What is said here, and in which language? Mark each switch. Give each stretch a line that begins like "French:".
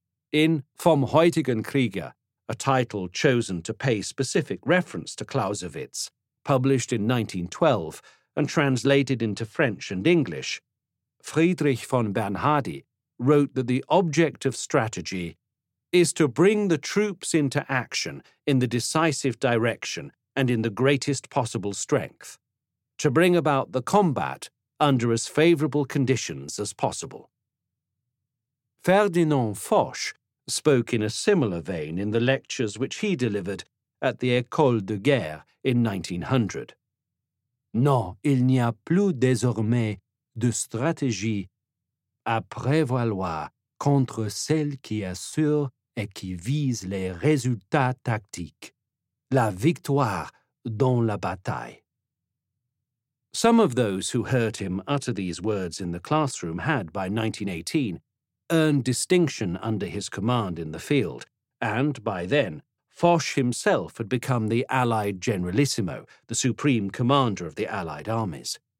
English: In Vom heutigen Kriege, a title chosen to pay specific reference to Clausewitz, published in 1912 and translated into French and English, Friedrich von Bernhardi wrote that the object of strategy is to bring the troops into action in the decisive direction and in the greatest possible strength, to bring about the combat under as favourable conditions as possible. Ferdinand Foch spoke in a similar vein in the lectures which he delivered at the École de Guerre in 1900.
French: Non, il n'y a plus désormais de stratégie à prévaloir contre celle qui assure et qui vise les résultats tactiques, la victoire dans la bataille.
English: Some of those who heard him utter these words in the classroom had, by 1918, earned distinction under his command in the field, and by then, Foch himself had become the Allied Generalissimo, the supreme commander of the Allied armies.